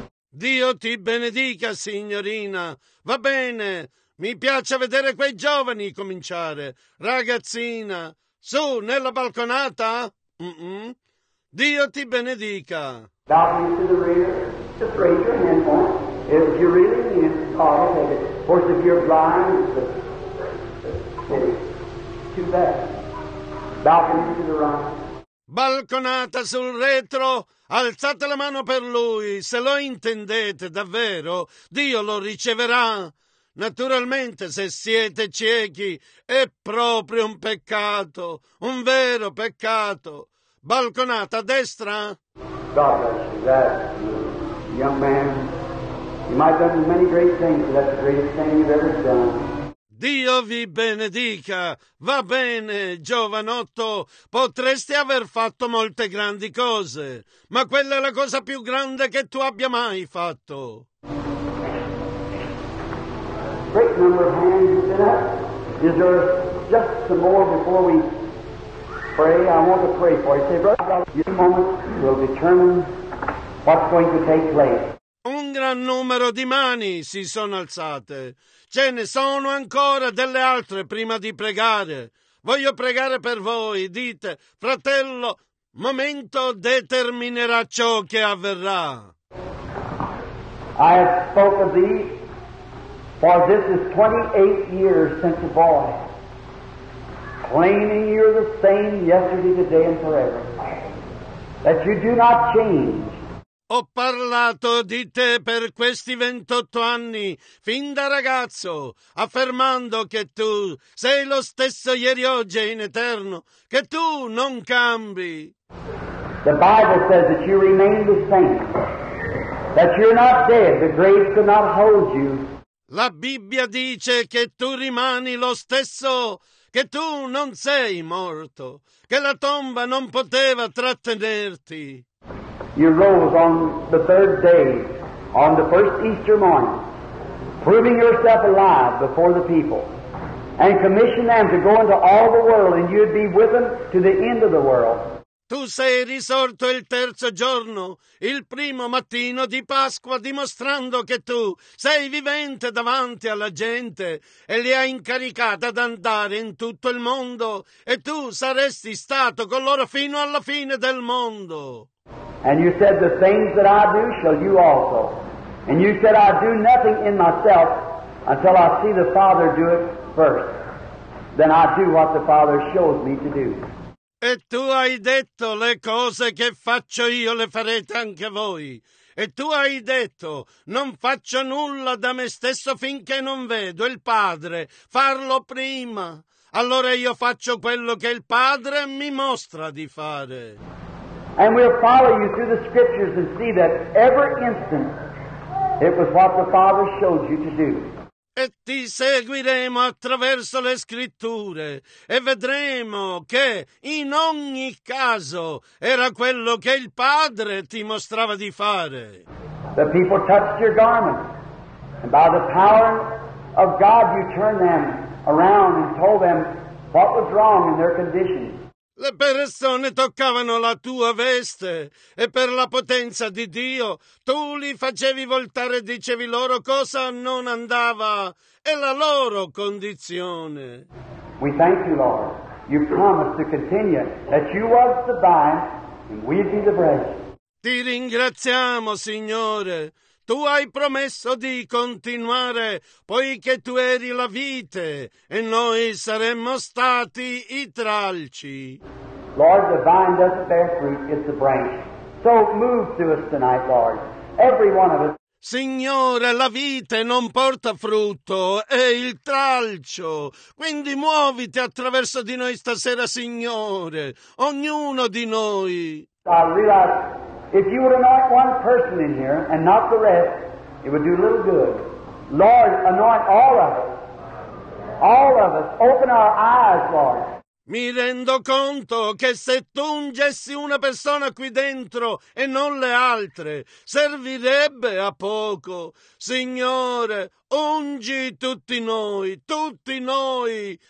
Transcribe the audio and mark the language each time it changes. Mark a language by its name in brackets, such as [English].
[Italian] Dio ti benedica, signorina. Va bene, mi piace vedere quei giovani cominciare. Ragazzina, su, nella balconata? Dio ti benedica. [English] Balcony to the rear, just raise your hand for him. If you really need to call it, of course, if you're blind, it's too bad. Balcony to the right. [Italian] Balconata sul retro, alzate la mano per lui. Se lo intendete davvero, Dio lo riceverà. Naturalmente, se siete ciechi, è proprio un peccato, un vero peccato. Balconata a destra. [English] God bless you. That young man, you might have done many great things, but that's the greatest thing you've ever done. [Italian] Dio vi benedica. Va bene, giovanotto, potresti aver fatto molte grandi cose, ma quella è la cosa più grande che tu abbia mai fatto. [English] Great number of hands you set up. Is there just some more before we pray? I want to pray for you. Say, brother, your moment will determine what's going to take place. [Italian] Un gran numero di mani si sono alzate. Ce ne sono ancora delle altre prima di pregare. Voglio pregare per voi. Dite, fratello, momento determinerà ciò che avverrà. [English] I have spoken of thee, for this is 28 years since a boy, claiming you're the same yesterday, today, and forever, that you do not change. [Italian] Ho parlato di te per questi 28 anni, fin da ragazzo, affermando che tu sei lo stesso ieri, oggi e in eterno, che tu non cambi. [English] The Bible says that you remain the same, that you're not dead, the grave could not hold you. [Italian] La Bibbia dice che tu rimani lo stesso, che tu non sei morto, che la tomba non poteva trattenerti. [English] You rose on the third day, on the first Easter morning, proving yourself alive before the people, and commissioned them to go into all the world, and you'd be with them to the end of the world. [Italian] Tu sei risorto il terzo giorno, il primo mattino di Pasqua, dimostrando che tu sei vivente davanti alla gente e li hai incaricata ad andare in tutto il mondo, e tu saresti stato con loro fino alla fine del mondo. [English] And you said, the things that I do shall you also. And you said, I do nothing in myself until I see the Father do it first. Then I do what the Father shows me to do. [Italian] E tu hai detto, le cose che faccio io le farete anche voi. E tu hai detto, non faccio nulla da me stesso finché non vedo il Padre farlo prima. Allora io faccio quello che il Padre mi mostra di fare. [English] And we'll follow you through the scriptures and see that every instant it was what the Father showed you to do. [Italian] E ti seguiremo attraverso le scritture e vedremo che in ogni caso era quello che il Padre ti mostrava di fare. [English] The people touched your garment, and by the power of God you turned them around and told them what was wrong in their condition. [Italian] Le persone toccavano la tua veste e per la potenza di Dio tu li facevi voltare e dicevi loro cosa non andava e la loro condizione. [English] We thank you, Lord. You promised to continue that you was the vine and we be the branch. [Italian] Ti ringraziamo, Signore. Tu hai promesso di continuare poiché tu eri la vite e noi saremmo stati i tralci. [English] Lord, the vine doesn't bear fruit, it's the branch. So move to us tonight, Lord. Every one of us. [Italian] Signore, la vite non porta frutto, è il tralcio. Quindi muoviti attraverso di noi stasera, Signore, ognuno di noi. [English] If you would anoint one person in here and not the rest, it would do little good. Lord, anoint all of us. All of us. Open our eyes, Lord. [Italian] Mi rendo conto che se tu ungessi una persona qui dentro e non le altre, servirebbe a poco. Signore, ungi tutti noi, tutti noi.